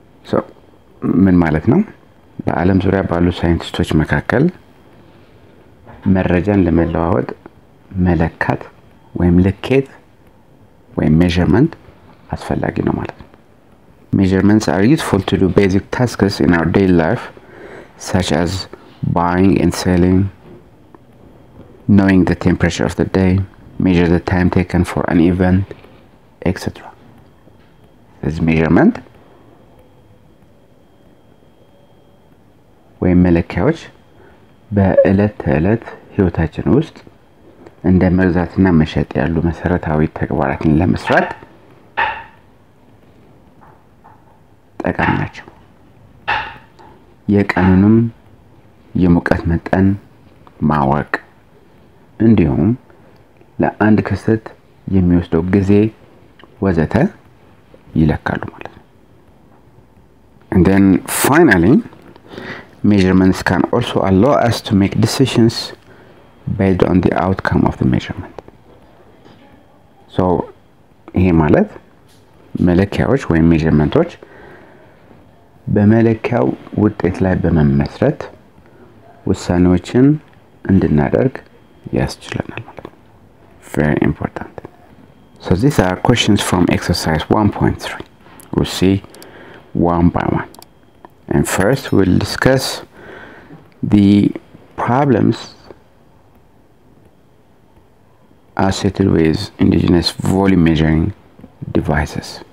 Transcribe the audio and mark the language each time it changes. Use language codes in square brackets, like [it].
[en] So, [am] ምን ማለት ነው? በዓለም ዙሪያ ባሉ ሳይንቲስቶች መካከል መረጃን ለመለዋወጥ መለካት ወይም ልኬት ወይም measurement አስፈላጊ ነው ማለት ነው። [en] Measurements are useful to do basic tasks in our daily life, such as buying and selling, knowing the temperature of the day, measure the time taken for an event, etc. [am] This measurement ወይ መለኪያዎች በእለት ተእለት ህይወታችን ውስጥ እንደ መግዛትና መሸጥ ያሉ መሰረታዊ ተግባራትን ለመስራት ጠቃሚ ናቸው። የቀኑንም የሙቀት መጠን ማወቅ እንዲሁም ለአንድ ክስተት የሚወስደው ጊዜ ወዘተ ይለካሉ ማለት ነው። [en] And then finally, measurements can also allow us to make decisions based on the outcome of the measurement. [am] So ይሄ ማለት መለኪያዎች ወይም ሜጀርመንቶች በመለኪያው ውጤት ላይ በመመስረት ውሳኔዎችን እንድናደርግ ያስችላል ማለት ነው። [en] Very important. So these are questions from exercise 1.3. We'll see one by one. And first we'll discuss the problems associated with indigenous volume measuring devices.